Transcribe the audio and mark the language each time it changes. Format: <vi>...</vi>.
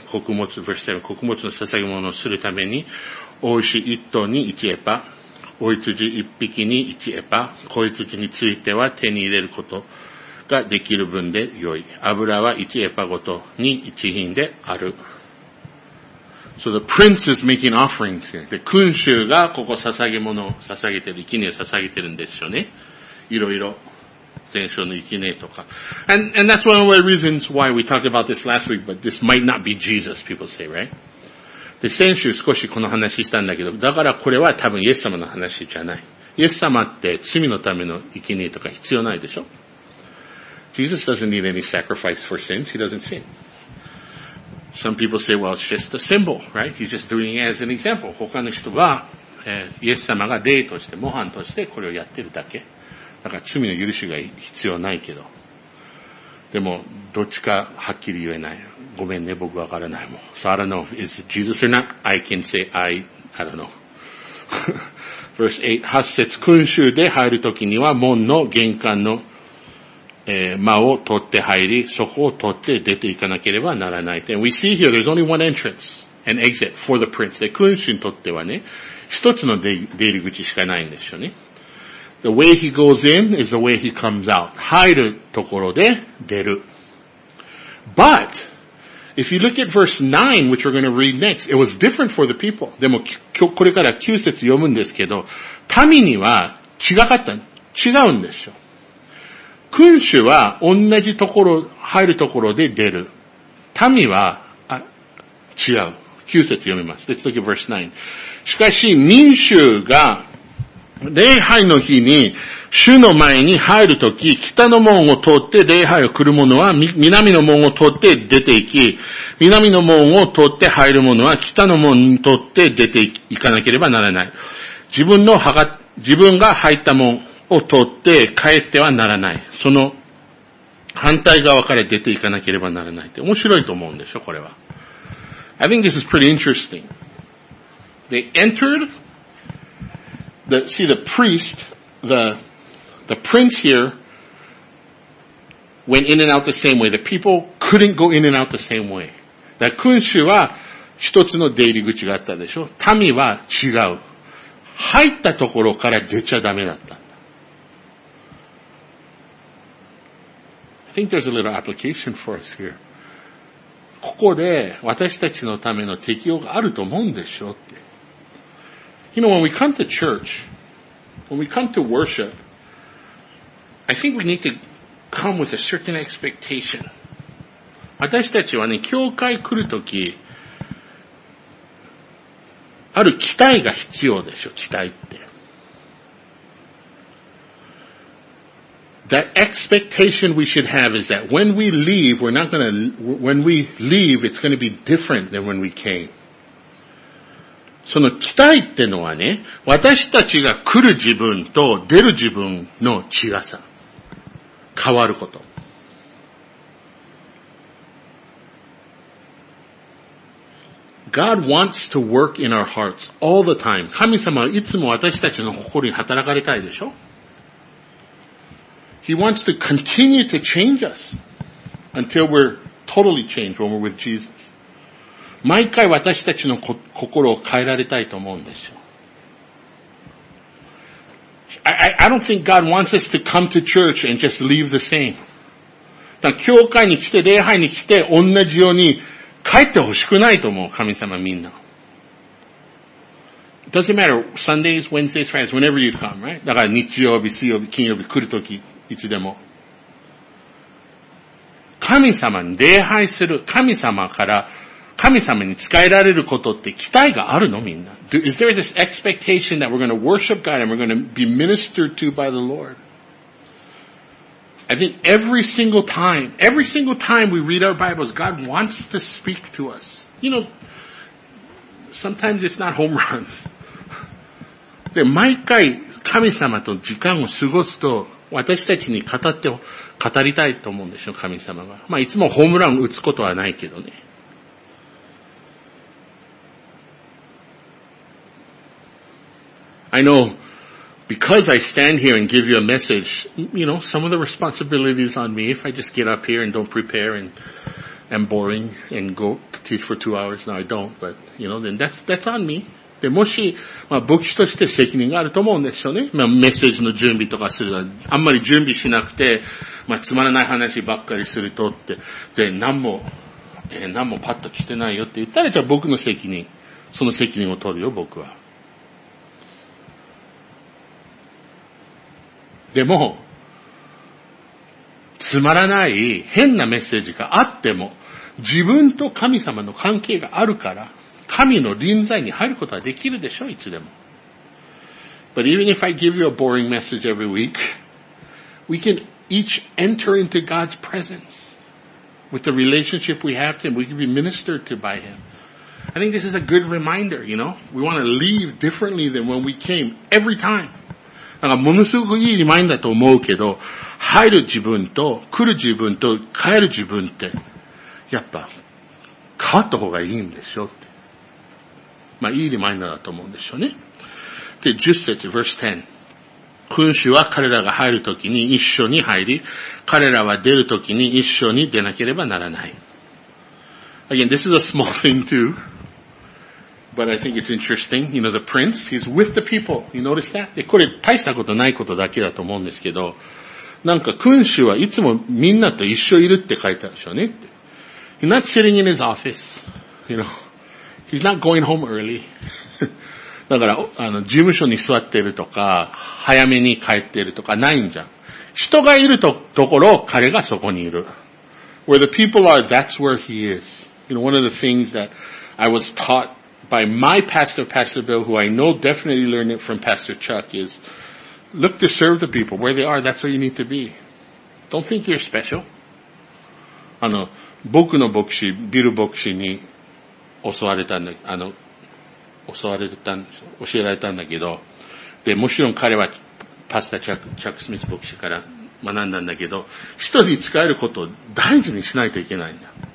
<ja>穀物、</ja> <en>verse 7、</en> <ja>穀物の捧げ物をするために牡牛一頭に1エパ、牡羊1匹に1エパ、子羊については手に入れることができる分で良い。油は1エパごとに1品である。</ja> <en>So the prince is making offerings here.</en> <ja>で、君主がここ捧げ物を捧げている、生贄を捧げているんですよね。いろいろ。全焼の生贄とか。</ja> <en>And that's one of the reasons why we talked about this last week, but this might not be Jesus, people say, right?</en> <ja>で、先週少しこの話したんだけど、だからこれは多分イエス様の話じゃない。イエス様って罪のための生贄とか必要ないでしょ。</ja> <en>Jesus doesn't need any sacrifice for sins. He doesn't sin. Some people say, well, it's just a symbol, right? He's just doing it as an example.</en> <ja>他の人は、イエス様が霊として、模範としてこれをやってるだけ。だから罪の許しが必要ないけど。でも、どっちかはっきり言えない。ごめんね、僕わからないもん。</ja> <en>So I don't know if it's Jesus or not. I can say I don't know. Verse 8,</en> <ja>八節、君衆で入るときには門の玄関の間を取って入り、そこを取って出ていかなければならない。</ja> <en>And we see here, there's only one entrance and exit for the prince.</en> <ja>で、君主にとってはね、一つの出入り口しかないんですよね。</ja> <en>The way he goes in is the way he comes out.</en> <ja>入るところで出る。</ja> <en>But, if you look at verse 9, which we're going to read next, it was different for the people.</en> <ja>でも、これから9節読むんですけど、民には違かった。違うんですよ。君主は同じところ、入るところで出る。民は、違う。9節読みます。</ja> <en>Let's look at verse 9.</en> <ja>しかし、民衆が、礼拝の日に、主の前に入るとき、北の門を通って礼拝を来る者は、南の門を通って出て行き、南の門を通って入る者は、北の門に通って出て行かなければならない。自分が入った門、を通って帰ってはならない。その反対側から出ていかなければならないって面白いと思うんでしょ、これは。</ja> <en>I think this is pretty interesting. They entered the, see the priest, the prince here went in and out the same way. The people couldn't go in and out the same way.</en> <ja>だから君主は一つの出入り口があったでしょ。民は違う。入ったところから出ちゃダメだった。</ja> <en>I think there's a little application for us here.</en> <ja>ここで私たちのための適用があると思うんでしょうって。</ja> <en>You know, when we come to church, when we come to worship, I think we need to come with a certain expectation.</en> <ja>私たちはね、教会来るとき、ある期待が必要でしょ、期待って。</ja> <en>The expectation we should have is that when we leave, when we leave, it's going to be different than when we came.</en> <ja>その期待ってのはね、私たちが来る自分と出る自分の違さ。変わること。</ja> <en>God wants to work in our hearts all the time.</en> <ja>神様はいつも私たちの心に働かれたいでしょ？</ja> <en>He wants to continue to change us until we're totally changed when we're with Jesus.</en> <ja>毎回私たちの心を変えられたいと思うんですよ。</ja> <en>I don't think God wants us to come to church and just leave the same.</en> <ja>だから教会に来て礼拝に来て同じように帰ってほしくないと思う、神様みんな。</ja> <en>It doesn't matter, Sundays, Wednesdays, Fridays, whenever you come, right?</en> <ja>だから日曜日、水曜日、金曜日来るとき、いつでも。神様に礼拝する、神様から、神様に仕えられることって期待があるの、みんな。</ja> <en>Is there this expectation that we're going to worship God and we're going to be ministered to by the Lord? I think every single time we read our Bibles, God wants to speak to us. You know, sometimes it's not home runs.</en> <ja>で、毎回神様と時間を過ごすと、私たちに語りたいと思うんでしょ、神様が。まあ、いつもホームランを打つことはないけどね。</ja> <en>I know, because I stand here and give you a message, you know, some of the responsibility is on me if I just get up here and don't prepare and am boring and go to teach for 2 hours. No, I don't, but, you know, then that's on me.</en> <ja>で、もし、まあ、牧師として責任があると思うんですよね。まあ、メッセージの準備とかするのあんまり準備しなくて、まあ、つまらない話ばっかりするとって、で、何もパッと来てないよって言ったら、じゃあ僕の責任、その責任を取るよ、僕は。でも、つまらない変なメッセージがあっても、自分と神様の関係があるから、神の臨在に入ることはできるでしょう、いつでも。</ja> <en>But even if I give you a boring message every week, we can each enter into God's presence with the relationship we have to Him. We can be ministered to by Him. I think this is a good reminder, you know? We want to leave differently than when we came every time.</en> <ja>なんかものすごくいいリマインだと思うけど、入る自分と来る自分と帰る自分って、やっぱ変わった方がいいんでしょうって。まあいいリマインだと思うんでしょうね。で、10節、</ja> <en>verse 10。</en> <ja>君主は彼らが入るときに一緒に入り、彼らは出るときに一緒に出なければならない。</ja> <en>Again, this is a small thing too. But I think it's interesting, you know, the prince, he's with the people. You notice that?</en> <ja>で、これ大したことないことだけだと思うんですけど、なんか君主はいつもみんなと一緒いるって書いてあるでしょうねって。</ja> <en>He's not sitting in his office, you know. He's not going home early.</en> <ja>だから、事務所に座ってるとか、早めに帰ってるとかないんじゃん。人がいると、ところ、彼がそこにいる。</ja> <en>Where the people are, that's where he is. You know, one of the things that I was taughtby my pastor, Pastor Bill, who I know definitely learned it from Pastor Chuck, is look to serve the people where they are. That's where you need to be. Don't think you're special.</en> <ja>僕の牧師、ビル牧師に教えられたんだけど、で、もちろん彼はパスターチャックスミス牧師から学んだんだけど、人に使えることを大事にしないといけないんだ。</ja>